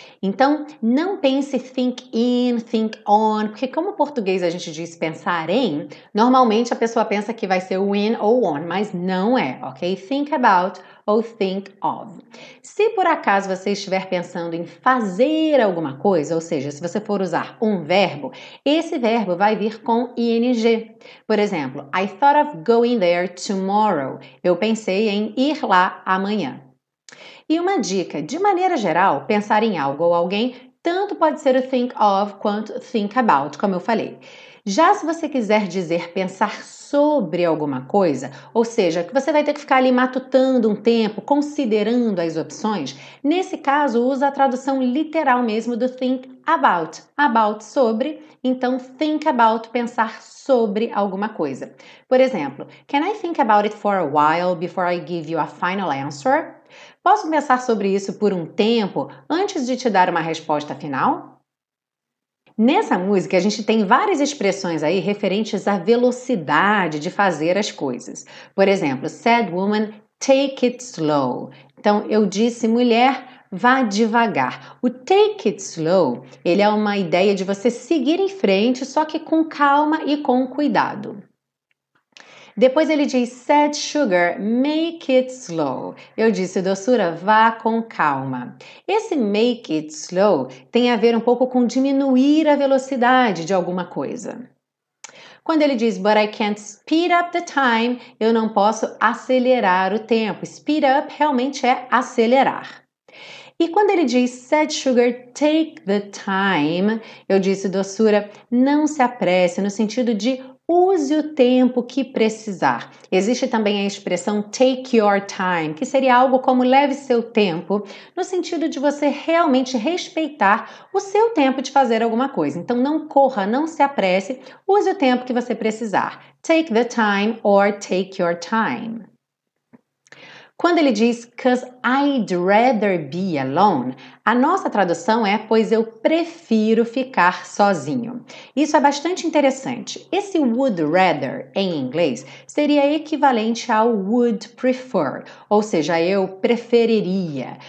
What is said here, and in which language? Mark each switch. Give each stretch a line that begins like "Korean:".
Portuguese: Então, não pense think in, think on, porque como o português a gente diz pensar em, normalmente a pessoa pensa que vai ser o in ou on, mas não é, ok? Think about ou think of. Se por acaso você estiver pensando em fazer alguma coisa, ou seja, se você for usar um verbo, esse verbo vai vir com ing. Por exemplo,
English: I thought of going there tomorrow.
Portuguese: Eu pensei em ir lá amanhã. E uma dica, de maneira geral, pensar em algo ou alguém, tanto pode ser o think of quanto think about, como eu falei. Já se você quiser dizer pensar sobre alguma coisa, ou seja, que você vai ter que ficar ali matutando um tempo, considerando as opções, nesse caso usa a tradução literal mesmo do think about. About sobre, então think about pensar sobre alguma coisa. Por exemplo,
English: can I think about it for a while before I give you a final answer?
Portuguese: Posso pensar sobre isso por um tempo antes de te dar uma resposta final? Nessa música, a gente tem várias expressões aí referentes à velocidade de fazer as coisas. Por exemplo,
English: said woman, take it slow.
Portuguese: Então, eu disse mulher, vá devagar. O take it slow, ele é uma ideia de você seguir em frente, só que com calma e com cuidado. Depois ele diz,
English: said sugar, make it slow.
Portuguese: Eu disse, doçura, vá com calma. Esse make it slow tem a ver um pouco com diminuir a velocidade de alguma coisa. Quando ele diz,
English: but I can't speed up the time,
Portuguese: eu não posso acelerar o tempo. Speed up realmente é acelerar. E quando ele diz,
English: said sugar, take the time,
Portuguese: eu disse, doçura, não se apresse, no sentido de use o tempo que precisar. Existe também a expressão take your time, que seria algo como leve seu tempo, no sentido de você realmente respeitar o seu tempo de fazer alguma coisa. Então, não corra, não se apresse, use o tempo que você precisar.
English: Take the time or take your time.
Portuguese: Quando ele diz
English: 'cause I'd rather be alone,
Portuguese: a nossa tradução é pois eu prefiro ficar sozinho. Isso é bastante interessante. Esse would rather em inglês seria equivalente ao would prefer, ou seja, eu preferiria.